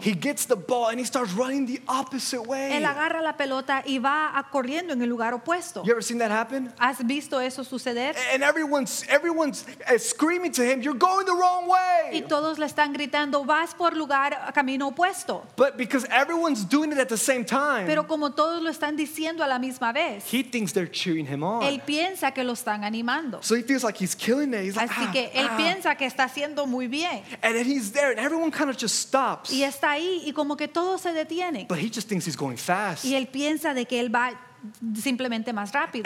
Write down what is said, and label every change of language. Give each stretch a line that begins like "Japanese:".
English: He gets the ball and he starts running the opposite way.
Spanish: Él agarra la pelota y va a corriendo en el lugar opuesto.
English: You ever seen that happen?
Spanish: ¿Has visto eso suceder?
English: And everyone's screaming to him, "You're going the wrong way."
Spanish: Y todos le están gritando, "Vas por lugar camino opuesto."
English: But because everyone's doing it at the same time.
Spanish: Pero como todos lo están diciendo a la misma vez.
English: He thinks they're cheering him on.
Spanish: Él piensa que lo están animando.
English: So he feels like he's killing it. He's
Spanish: así
English: like,
Spanish: que él ah. piensa que está haciendo muy bien.
English: And then he's there and everyone kind of just stops.
Spanish: Y está ahí y como que todos se detienen.
English: But he just thinks he's going fast.
Spanish: Y él piensa de que él va simplemente más rápido.